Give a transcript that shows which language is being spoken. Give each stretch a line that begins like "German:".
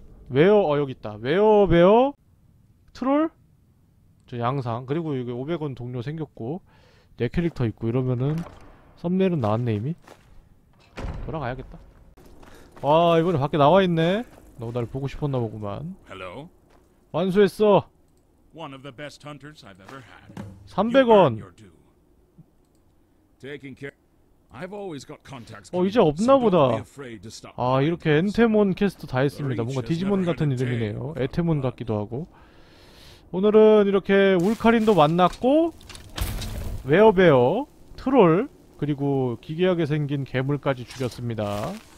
Korean: 웨어, 여기 있다. 웨어 트롤? 저 양상. 그리고 이게 500원 동료 생겼고 내 캐릭터 있고 이러면은 썸네일은 나왔네 이미. 돌아가야겠다. 와, 이번에 밖에 나와 있네. 너 날 보고 싶었나 보구만. 완수했어.
English: One of the best hunters I've ever had.
Korean: 300원.
English: Taking care. I've always got contacts.
Korean: 이제 없나 보다. 아, 이렇게 엔테몬 퀘스트 다 했습니다. 뭔가 디지몬 같은 이름이네요. 에테몬 같기도 하고. 오늘은 이렇게 울카린도 만났고 웨어베어, 트롤, 그리고 기괴하게 생긴 괴물까지 죽였습니다.